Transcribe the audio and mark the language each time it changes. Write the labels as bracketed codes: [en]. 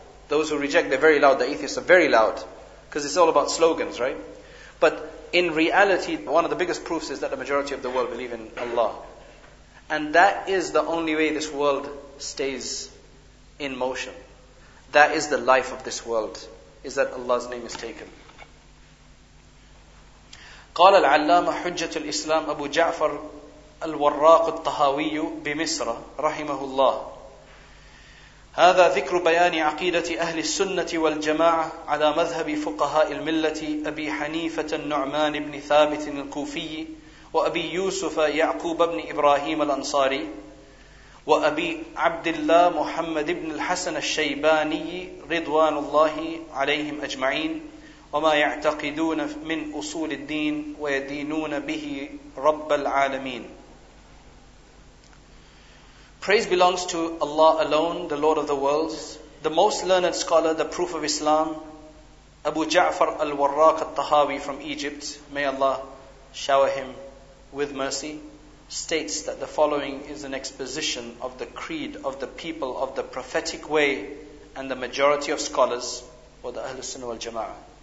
[en] Those who reject, they're very loud. The atheists are very loud. Because it's all about slogans, right? But in reality, one of the biggest proofs is that the majority of the world believe in Allah. And that is the only way this world stays in motion. That is the life of this world, is that Allah's name is taken. [ar] قال العلامة حجة الإسلام أبو جعفر الوراق الطهاوي بمصر رحمه الله هذا ذكر بيان عقيدة أهل السنة والجماعة على مذهب فقهاء الملة أبي حنيفة النعمان بن ثابت الكوفي وأبي يوسف يعقوب بن إبراهيم الأنصاري وأبي عبد الله محمد بن الحسن الشيباني رضوان الله عليهم أجمعين وما يعتقدون من أصول الدين ويدينون به رب العالمين. [en] Praise belongs to Allah alone, the Lord of the worlds, the most learned scholar, the proof of Islam, Abu Ja'far al-Warraq al-Tahawi from Egypt, may Allah shower him with mercy, states that the following is an exposition of the creed of the people of the prophetic way and the majority of scholars, or the Ahlus Sunnah wal Jama'ah,